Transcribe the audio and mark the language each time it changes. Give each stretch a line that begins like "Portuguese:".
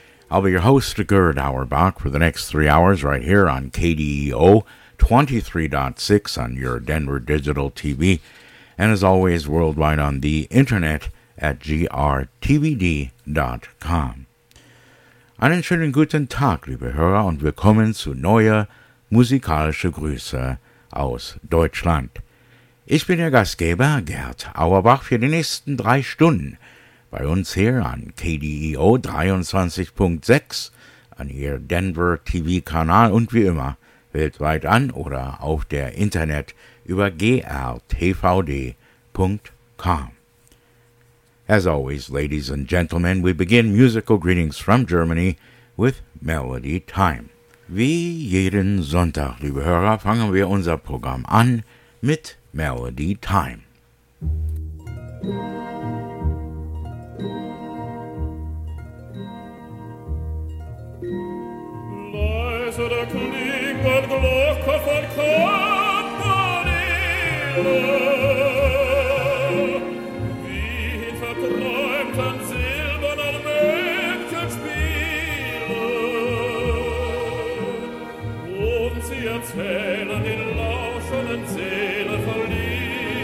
English: I'll be your host, Gerd Auerbach, for the next 3 hours right here on KDEO 23.6 on your Denver Digital TV, and as always, worldwide on the internet at grtvd.com.
German: Einen schönen guten Tag, liebe Hörer, und willkommen zu neue musikalische Grüße aus Deutschland. Ich bin Ihr Gastgeber, Gerd Auerbach, für die nächsten 3 Stunden bei uns hier an KDEO 23.6 an Ihr Denver TV-Kanal und wie immer weltweit an oder auf der Internet über grtvd.com.
English: As always, ladies and gentlemen, we begin Musical Greetings from Germany with Melody Time.
German: Wie jeden Sonntag, liebe Hörer, fangen wir unser Programm an mit Melody Time. Leise der Klingt der Glocke von Campanile, wie in verträumten silbernen Mädchenspiele, und sie erzählen in lauschenden Seelen.